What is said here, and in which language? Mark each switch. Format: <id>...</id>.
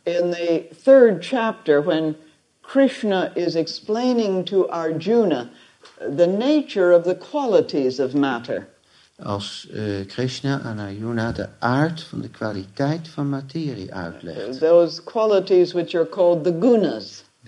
<en>In the third chapter, when Krishna is explaining to Arjuna the nature of the qualities of matter.</en> <nl>Als Krishna aan Arjuna de aard van de kwaliteit van materie uitlegt.</nl> <en>Those qualities which are called the gunas.</en>